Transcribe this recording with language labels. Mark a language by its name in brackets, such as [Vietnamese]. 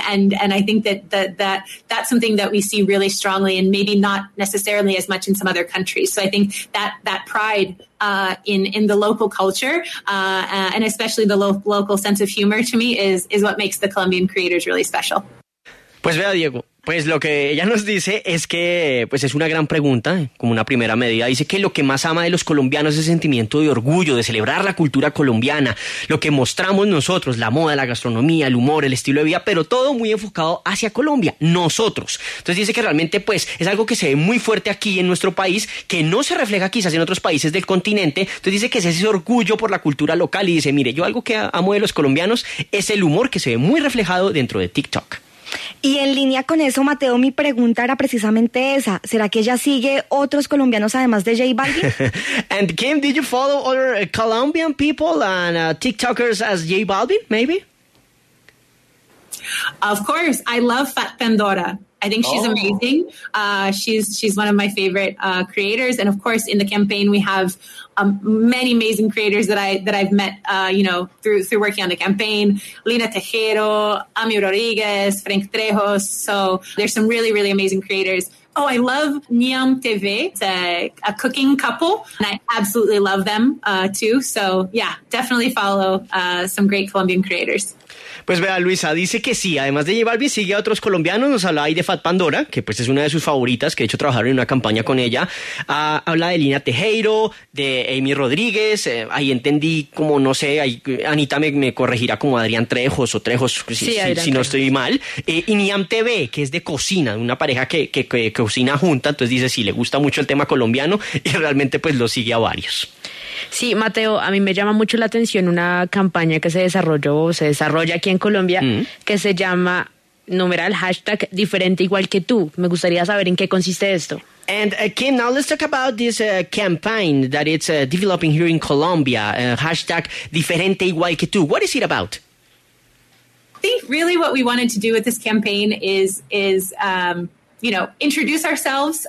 [English] And I think that's something that we see really strongly, and maybe not necessarily as much in some other countries. So I think that pride in the local culture and especially the local sense of humor, to me, is what makes the Colombian creators really special. [Spanish] Pues vea, Diego. Pues lo que ella nos dice es que, pues es una gran pregunta, como una primera medida. Dice que lo que más ama de los colombianos es el sentimiento de orgullo, de celebrar la cultura colombiana, lo que mostramos nosotros, la moda, la gastronomía, el humor, el estilo de vida, pero todo muy enfocado hacia Colombia, nosotros. Entonces dice que realmente, pues, es algo que se ve muy fuerte aquí en nuestro país, que no se refleja quizás en otros países del continente. Entonces dice que es ese orgullo por la cultura local y dice, mire, yo algo que amo de los colombianos es el humor, que se ve muy reflejado dentro de TikTok. Y en línea con eso, Mateo, mi pregunta era precisamente esa. ¿Será que ella sigue otros colombianos además de J Balvin? [English] And Kim, did you follow other Colombian people and TikTokers as J Balvin, maybe? Of course. I love Fat Pandora. I think she's amazing. She's one of my favorite creators. And of course, in the campaign, we have many amazing creators that I've met, you know, through working on the campaign. Lina Tejero, Amy Rodriguez, Frank Trejos. So there's some really, really amazing creators. Oh, I love Niam TV. It's a cooking couple, and I absolutely love them too. So yeah, definitely follow some great Colombian creators. [Spanish] Pues vea, Luisa dice que sí, además de J Balvin, sigue a otros colombianos. Nos habla ahí de Fat Pandora, que pues es una de sus favoritas, que de hecho trabajaron en una campaña con ella. Habla de Lina Tejero, de Amy Rodríguez, ahí entendí como, no sé, ahí Anita me corregirá, como Adrián Trejos o Trejos, si no estoy mal. Y Niam TV, que es de cocina, una pareja que cocina junta, entonces dice sí, le gusta mucho el tema colombiano y realmente pues lo sigue a varios. Sí, Mateo, a mí me llama mucho la atención una campaña que se desarrolla aquí en Colombia, que se llama #, diferente igual que tú. Me gustaría saber en qué consiste esto. [English] And Kim, now let's talk about this campaign that it's developing here in Colombia, #diferente igual que tú. What is it about? I think really what we wanted to do with this campaign is you know, introduce ourselves.